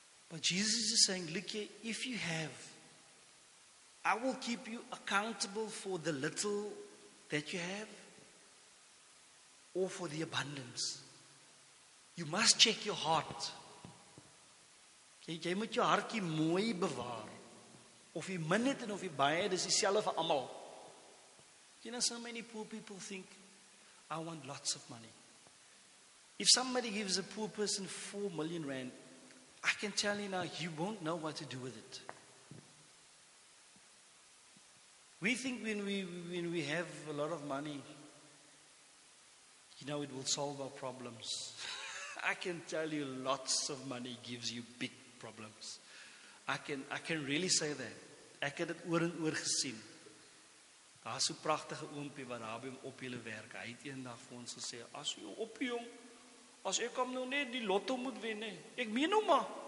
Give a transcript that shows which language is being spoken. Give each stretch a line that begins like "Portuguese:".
English: But Jesus is saying, look here, if you have, I will keep you accountable for the little that you have or for the abundance. You must check your heart.
Afrikaans: Jy moet jou hartjie mooi bewaar. Of jy min het en of jy baie het, dis dieselfde vir almal.
English: You know, so many poor people think, I want lots of money. If somebody gives a poor person 4 million rand, I can tell you now, you won't know what to do with it. We think when we have a lot of money, you know, it will solve our problems. I can tell you, lots of money gives you big problems. I can really say that.
Afrikaans: Ek het dit oor en oor gesien. Daar is so'n pragtige oompie wat daar by hom op julle werk. Hy het eendag vir ons gesê, as jy oppie jong, as ek hom nou net die lotto moet wen, ek meen hom maar.